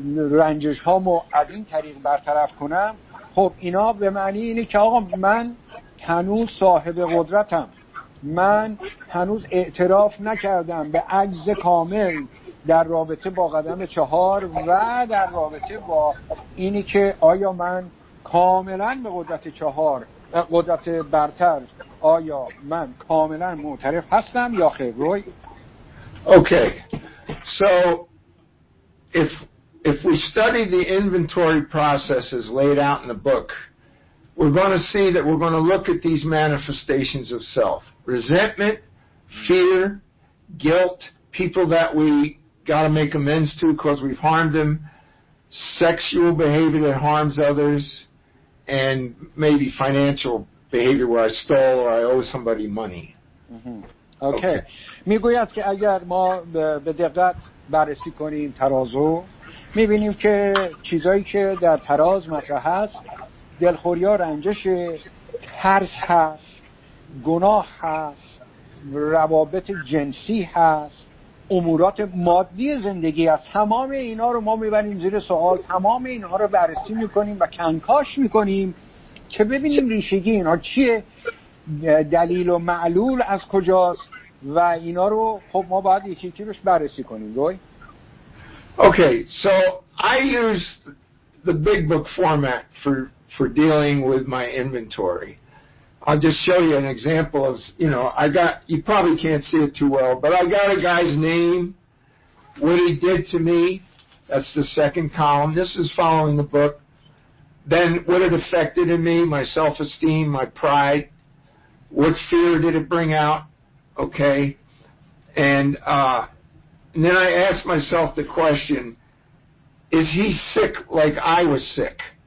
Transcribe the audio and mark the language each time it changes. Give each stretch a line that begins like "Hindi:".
Persian: رنجش هامو از این طریق برطرف کنم، خب اینا به معنی اینه که آقا من هنوز صاحب قدرتم، من هنوز اعتراف نکردم به عجز کامل در رابطه با قدم چهار و در رابطه با اینی که آیا من کاملا به قدرت چهار، قدرت برتر، آیا من کاملا معترف هستم یا خیر. روی
English: Okay, so if we study the inventory processes laid out in the book, we're going to see that we're going to look at these manifestations of self: resentment, fear, guilt, people that we got to make amends to because we've harmed them, sexual behavior that harms others, and maybe financial behavior where I stole or I owe somebody money. Mm-hmm. Okay.
Persian: میگوید که اگر ما به دقت بررسی کنیم ترازو، میبینیم که چیزایی که در تراز مطرح هست، دلخوری ها، رنجش، ترس هست، گناه هست، روابط جنسی هست، امورات مادی زندگی هست. تمام اینا رو ما میبریم زیر سوال، تمام اینا رو بررسی میکنیم و کنکاش میکنیم که ببینیم ریشگی اینا چیه، دلیل و معلول از کجاست، و اینا رو خب ما باید یکی یکی روش بررسی کنیم. روی
English: Okay, so I use the big book format for dealing with my inventory. I'll just show you an example of, you know, I got, you probably can't see it too well, but I got a guy's name, what he did to me, that's the second column, this is following the book, then what it affected in me, my self-esteem, my pride, what fear did it bring out, okay, and then I asked myself the question, is he sick like I was sick?